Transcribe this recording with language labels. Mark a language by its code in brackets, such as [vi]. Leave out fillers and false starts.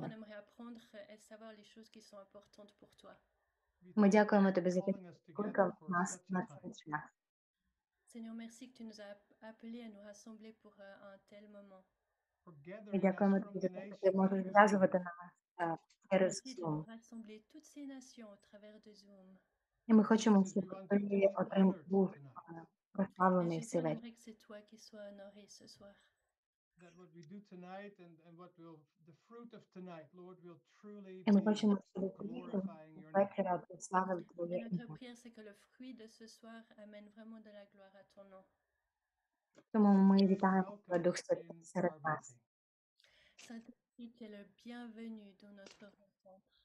[fr] On aimerait apprendre et savoir les choses qui sont importantes pour toi. [uk] Ми дякуємо тобі за те, що нас на цей час. [fr] Seigneur, merci que tu nous as appelé à nous rassembler pour un tel moment. [uk] Ми дякуємо тобі за те, що ти можеш зв'язувати нас через Zoom. [fr] Rassembler toutes ces nations au travers de Zoom. [uk] І ми хочемо, щоб ти отримав прославлений всі вечір. [fr] C'est toi qui sois honoré ce soir. [en] that what we do tonight and what will the fruit of tonight, Lord, will truly be glorifying your name. [fr] Notre prière, c'est que le fruit de ce soir amène vraiment de la gloire à ton nom. Saint-Esprit, tu es le bienvenu dans notre rencontre.